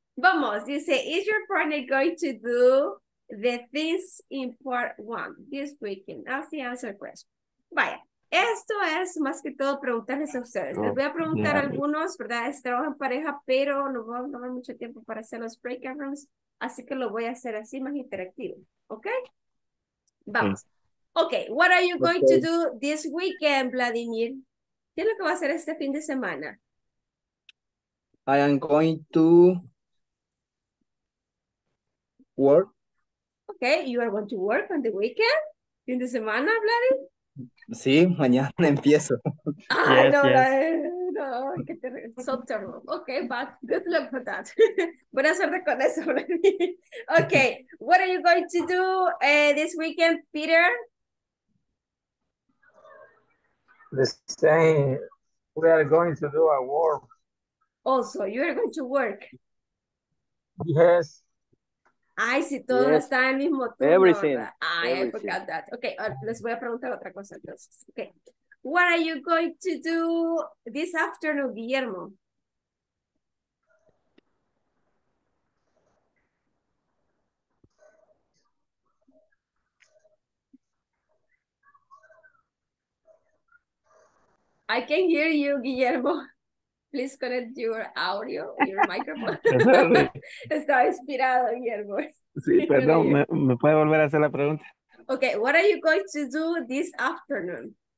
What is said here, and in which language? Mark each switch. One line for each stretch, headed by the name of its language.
English: Vamos, dice, is your partner going to do the things in part one this weekend? That's the answer question. Vaya.
Spanish: Esto es más que todo preguntarles a ustedes. Les voy a preguntar a algunos, ¿verdad? Trabajan en pareja, pero no voy a tomar mucho tiempo para hacer los breakout rooms, así que lo voy a hacer así más interactivo. ¿Ok? Vamos.
English: Ok, what are you going to do this weekend, Vladimir?
Spanish: ¿Qué es lo que va a hacer este fin de semana?
English: I am going to work. Ok, you are going to work on the weekend,
Spanish: fin de semana,
English: Vladimir.
Spanish: Sí, mañana empiezo. Ah, yes, no, no, que te so terrible.
English: Okay, but good luck for that.
Spanish: Buena suerte con eso.
English: Okay, what are you going to do this weekend, Peter? The same. We are going to do a work. Also, you are going to work. Yes.
Spanish: Ay, si todo está en el mismo turno.
English: Everything. Ay, I forgot that.
Spanish: Okay, les voy a preguntar otra cosa entonces.
English: Okay. What are you going to do this afternoon, Guillermo? I can hear you, Guillermo. Please connect your audio, your microphone.
Spanish: Estaba inspirado, Guillermo. Sí, perdón, ¿me puede volver a hacer la pregunta?
English: Okay, what are you going to do this afternoon?